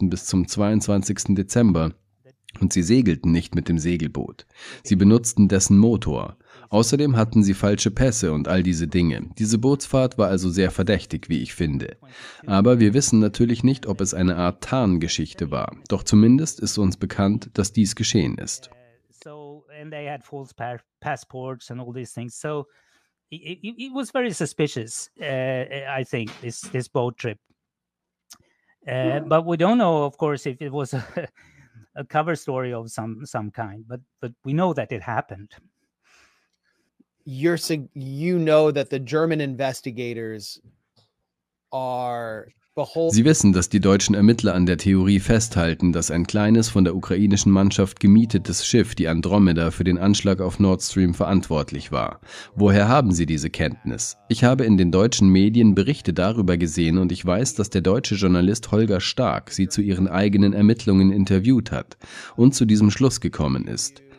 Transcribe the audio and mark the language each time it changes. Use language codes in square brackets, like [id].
[de] bis zum 22. Dezember, und sie segelten nicht mit dem Segelboot. Sie benutzten dessen Motor. Außerdem hatten sie falsche Pässe und all diese Dinge. Diese Bootsfahrt war also sehr verdächtig, wie ich finde. Aber wir wissen natürlich nicht, ob es eine Art Tarngeschichte war. Doch zumindest ist uns bekannt, dass dies geschehen ist. [en] So, and they had false passports and all these things. So, it was very suspicious, I think, this boat trip. But we don't know, of course, if it was a cover story of some kind, but we know that it happened. You know that the German investigators are beholden. [de] Sie wissen, dass die deutschen Ermittler an der Theorie festhalten, dass ein kleines von der ukrainischen Mannschaft gemietetes Schiff, die Andromeda, für den Anschlag auf Nord Stream verantwortlich war. Woher haben Sie diese Kenntnis? Ich habe in den deutschen Medien Berichte darüber gesehen und ich weiß, dass der deutsche Journalist Holger Stark sie zu ihren eigenen Ermittlungen interviewt hat und zu diesem Schluss gekommen ist.